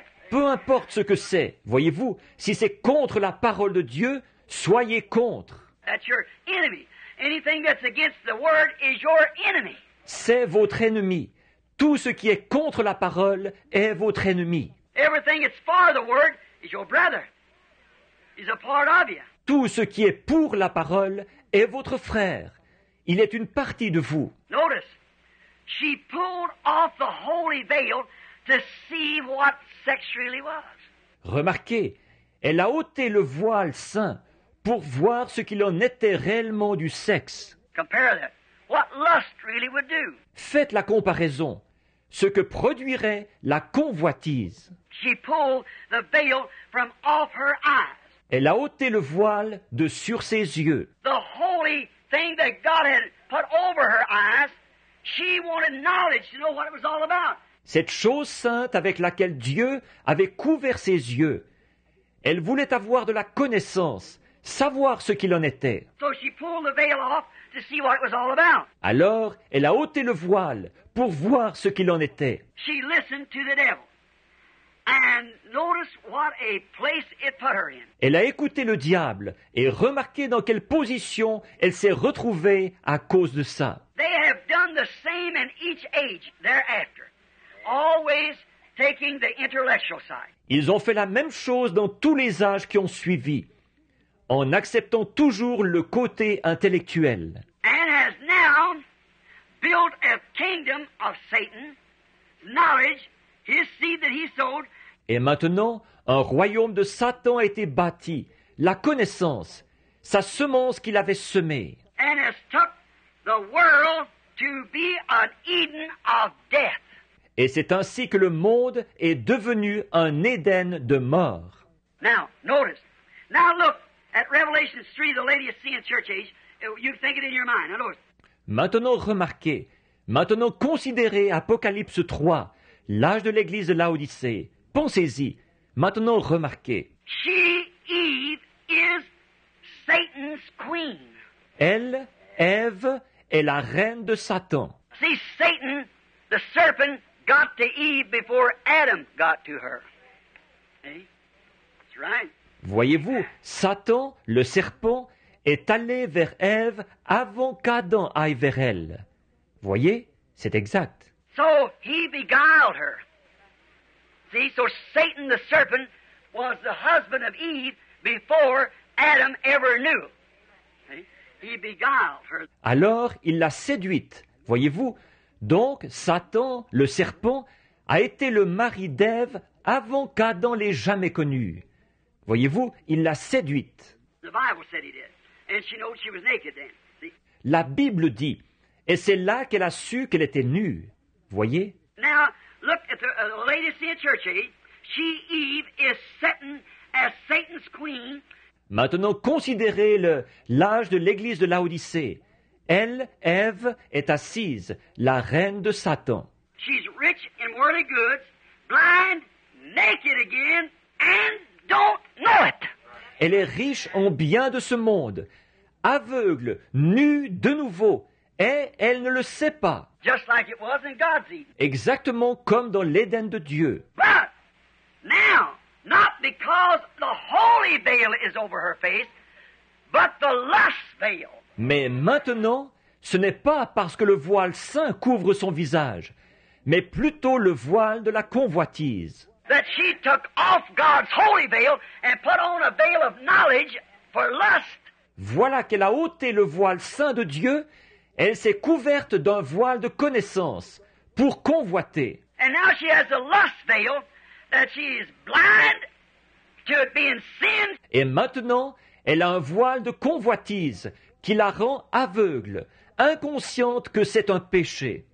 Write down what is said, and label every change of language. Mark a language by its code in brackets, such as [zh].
[fr] Peu importe ce que c'est, voyez-vous, si c'est contre la parole de Dieu, soyez contre. [en] That's your enemy. Anything that's against the word is your enemy. [fr] C'est votre ennemi. Tout ce qui est contre la parole est votre ennemi. [en] Everything that's for the word is your brother. He's a part of you. [fr] Tout ce qui est pour la parole est votre frère. Il est une partie de vous. [en] Notice, she pulled off the holy veil to see what sex really was. [fr] Remarquez, elle a ôté le voile saint pour voir ce qu'il en était réellement du sexe. [en] Compare that. What lust really would do. [fr] Faites la comparaison. Ce que produirait la convoitise. [en] She pulled the veil from off her eyes. [fr] Elle a ôté le voile de sur ses yeux. [en] The holy thing that God had put over her eyes, she wanted knowledge to know what it was all about. [fr] Cette chose sainte avec laquelle Dieu avait couvert ses yeux, elle voulait avoir de la connaissance, savoir ce qu'il en était. [en] So she pulled the veil off to see what it was all about. [fr] Alors, elle a ôté le voile pour voir ce qu'il en était. [en] She listened to the devil. And notice what a place it put her in. [fr] Elle a écouté le diable et remarqué dans quelle position elle s'est retrouvée à cause de ça. [en] They have done the same in each age thereafter, always taking the intellectual side. [fr] Ils ont fait la même chose dans tous les âges qui ont suivi, en acceptant toujours le côté intellectuel. [en] And has now built a kingdom of Satan, knowledge. His seed that he sowed. [fr] Et maintenant, un royaume de Satan a été bâti, la connaissance, sa semence qu'il avait semée. [en] And has took the world to be an Eden of death. [fr] Et c'est ainsi que le monde est devenu un Éden de mort. [en] Now, notice. Now look at Revelation 3, the latest seen in church age. You think it in your mind. Now notice. [fr] Maintenant, remarquez. Maintenant, considérez Apocalypse 3. L'âge de l'église de Laodicée. Pensez-y. Maintenant, remarquez. [en] She, Eve, is Satan's queen. [fr] Elle, Ève, est la reine de Satan. [en] See, Satan, the serpent, got to Eve before Adam got to her. Hey? That's right. [fr] Voyez-vous, Satan, le serpent, est allé vers Ève avant qu'Adam aille vers elle. Voyez, c'est exact. [en] So he beguiled her. See, so Satan the serpent was the husband of Eve before Adam ever knew. See? He beguiled her. [fr] Alors, il l'a séduite. Voyez-vous, donc Satan, le serpent, a été le mari d'Ève avant qu'Adam l'ait jamais connue. Voyez-vous, il l'a séduite. [en] The Bible said he did. And she knows she was naked then. [fr] La Bible dit, et c'est là qu'elle a su qu'elle était nue. Voyez. [en] Now, look at the lady in church, eh? She, Eve, is sitting as Satan's queen. [fr] Maintenant, considérez l'âge de l'église de Laodicée. Elle, Ève, est assise, la reine de Satan. [en] She's rich in worldly goods, blind, naked again, and don't know it. [fr] Elle est riche en biens de ce monde, aveugle, nue de nouveau, et elle ne le sait pas. [en] Just like it was in God's Eden. [fr] Exactement comme dans l'Éden de Dieu. [en] But now, not because the holy veil is over her face, but the lust veil. [fr] Mais maintenant, ce n'est pas parce que le voile saint couvre son visage, mais plutôt le voile de la convoitise. [en] That she took off God's holy veil and put on a veil of knowledge for lust. [fr] Voilà qu'elle a ôté le voile saint de Dieu. Elle s'est couverte d'un voile de connaissance pour convoiter. [en] And now she has a lust veil that she is blind to it being sin. [fr] Et maintenant, elle a un voile de convoitise qui la rend aveugle, inconsciente que c'est un péché.